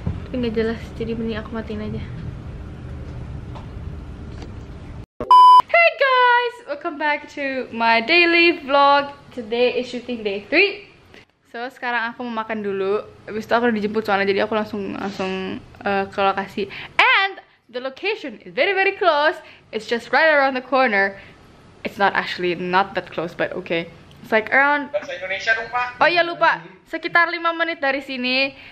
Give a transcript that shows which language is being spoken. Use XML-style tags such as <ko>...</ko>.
<id>Tapi gak jelas, jadi mending aku matiin aja.</id> <en>Hey guys, welcome back to my daily vlog. Today is shooting day 3.</en> <id>So sekarang aku mau makan dulu. Abis itu aku udah dijemput soalnya, jadi aku langsung ke lokasi.</id> <en>And the location is very very close. It's just right around the corner. It's not actually not that close, but okay. It's like around.</en> <id>Bahasa Indonesia dong, Pak. Oh iya lupa. Sekitar 5 menit dari sini.</id>